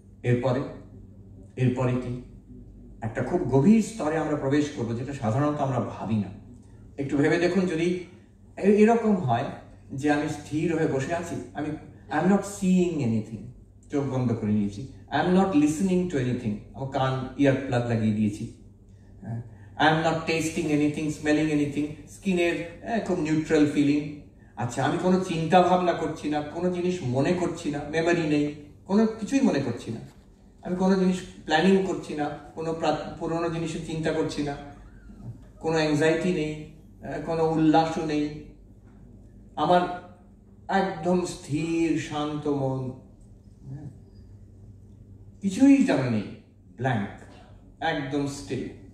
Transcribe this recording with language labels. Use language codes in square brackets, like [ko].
[bn] এরপরে এরপরে কি? একটা খুব গভীর স্তরে আমরা প্রবেশ করব, যেটা সাধারণত আমরা ভাবি না। একটু ভেবে দেখুন, যদি এরকম হয় যে আমি স্থির হয়ে বসে আছি, আমি [en] I am not seeing anything, [bn] চোখ বন্ধ করে নিয়েছি, [en] I am not listening to anything, [bn] আমার কান ইয়ার প্লাগ লাগিয়ে দিয়েছি, [en] I'm not tasting anything, smelling anything. Skin is khub neutral feeling. [bn] আচ্ছা, আমি কোনো চিন্তা ভাবনা করছি না, কোনো জিনিস মনে করছি না, মেমোরি নেই, কোনো কিছুই মনে করছি না, আমি কোনো জিনিস প্ল্যানিং করছি না, কোনো পুরনো জিনিসের চিন্তা করছি না, কোনো অ্যাংজাইটি নেই, কোনো উল্লাসও নেই, আমার একদম স্থির শান্ত মন, কিছুই জানা নেই, ব্ল্যাঙ্ক, একদম স্টিল।